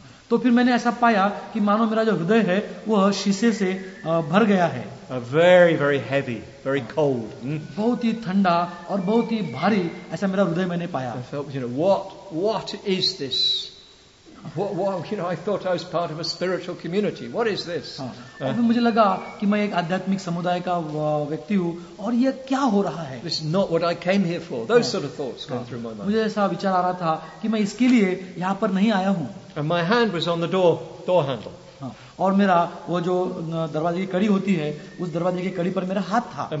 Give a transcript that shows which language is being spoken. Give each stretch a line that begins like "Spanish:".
Hindi: तो फिर मैंने ऐसा पाया कि मानो मेरा जो हृदय है वह शीशे से भर गया है.
English: Very very heavy, very cold.
Hindi: बहुत ही ठंडा और बहुत ही भारी ऐसा मेरा हृदय मैंने पाया.
English: What is this? I thought I was part of a spiritual community. What is this?
Hindi: अभी मुझे लगा कि मैं एक आध्यात्मिक समुदाय का व्यक्ति हूँ और ये क्या हो रहा है?
English: This is not what I came here for. Those sort of thoughts came through my mind.
Hindi: मुझे ऐसा विचार आ रहा था कि मैं इसके लिए यहाँ पर नहीं आया हूँ.
English: And my hand was on the door handle.
Hindi: और मेरा वो जो दरवाजे की कड़ी होती है, उस दरवाजे की कड़ी पर मेरा हाथ था.